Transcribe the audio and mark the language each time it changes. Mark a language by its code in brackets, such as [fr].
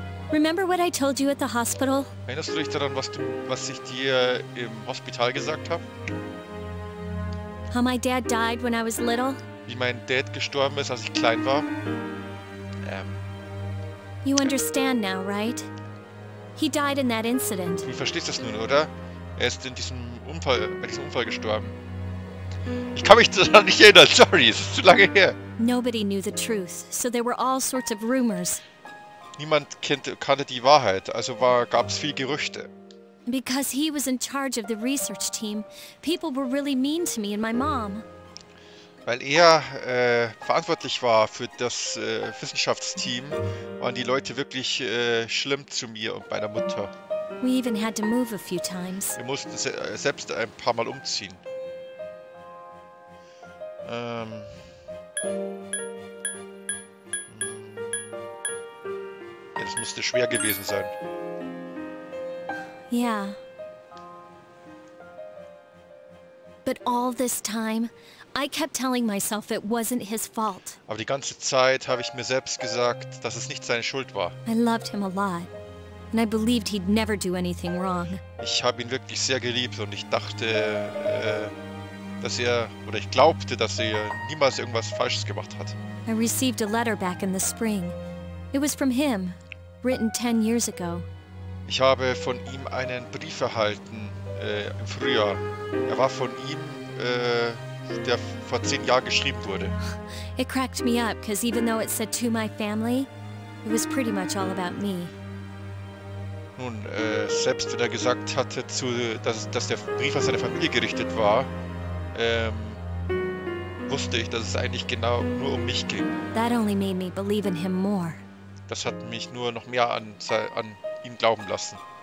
[en] Remember what I told you at the hospital? [de] Erinnerst du dich daran, was ich dir im Hospital gesagt habe? [en] How my dad died when I was little? [de] Wie mein Dad gestorben ist, als ich klein war? [en] You understand now, right? He died in that incident. [de] Du verstehst das nun, oder? Er ist in diesem Unfall, bei diesem Unfall gestorben. Ich kann mich daran nicht erinnern, sorry, es ist zu lange her. [en] Nobody knew the truth, so there were all sorts of rumors. [de] Niemand kannte die Wahrheit, also gab es viel Gerüchte. [en] Because he was in charge of the research team, people were really mean to me and my mom. [de] Weil er verantwortlich war für das Wissenschaftsteam, waren die Leute wirklich schlimm zu mir und meiner Mutter. [en] We even had to move a few times. [de] Wir mussten selbst ein paar Mal umziehen. Ja, das musste schwer gewesen sein. Ja. [en] Yeah. But all this time, I kept telling myself it wasn't his fault. [de] Aber die ganze Zeit habe ich mir selbst gesagt, dass es nicht seine Schuld war. [en] I loved him a lot, and I believed he'd never do anything wrong. [de] Ich habe ihn wirklich sehr geliebt und ich dachte, dass er, oder ich glaubte, dass er niemals irgendwas Falsches gemacht hat. [en] I received a letter back in the spring. It was from him, written 10 years ago. [de] Ich habe von ihm einen Brief erhalten im Frühjahr. Er war von ihm, der vor 10 Jahren geschrieben wurde. [en] It cracked me up, because even though it said to my family, it was pretty much all about me. [de] Nun, selbst wenn er gesagt hatte, dass der Brief an seine Familie gerichtet war, wusste ich, dass es eigentlich genau nur um mich ging. [en] That only made me believe in him more. [de] Das hat mich nur noch mehr an ihm glauben lassen.